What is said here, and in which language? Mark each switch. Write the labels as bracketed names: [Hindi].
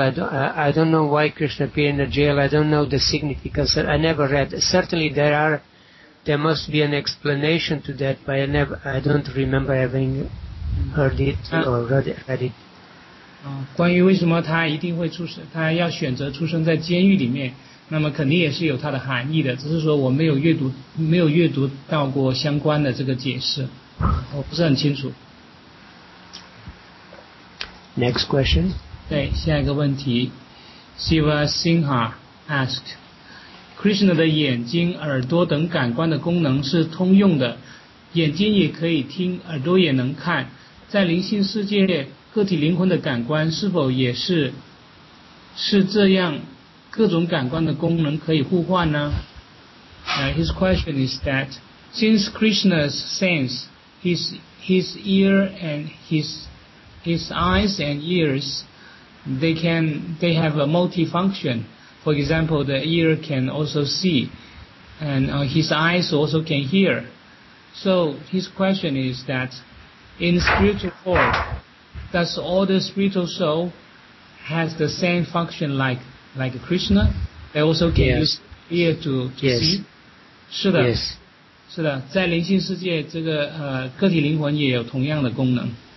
[English] I don't know why Krishna appear in a jail. I don't know the significance. I never read. Certainly there must be an explanation to that. But I don't remember having heard it or read it. [Chinese] 关于为什么他一定会出生，他要选择出生在监狱里面，那么肯定也是有他的含义的。只是说我没有阅读到过相关的这个解释，我不是很清楚。 [English] Next question. [Chinese] 对，下一个问题。 [English] Shiva Singha asked, [Chinese] Krishna 的眼睛、耳朵等感官的功能是通用的，眼睛也可以听，耳朵也能看。在灵性世界，个体灵魂的感官是否也是这样，各种感官的功能可以互换呢？ [English] His question is that, since Krishna's sense, his ear and his eyes and ears, they have a multifunction. For example, the ear can also see, and his eyes also can hear. So his question is that, in spiritual world, does all the spiritual soul has the same function like Krishna? They also can use ear to see. [Chinese] 是的， [English] yes. [Chinese] 是的，在灵性世界，这个个体灵魂也有同样的功能。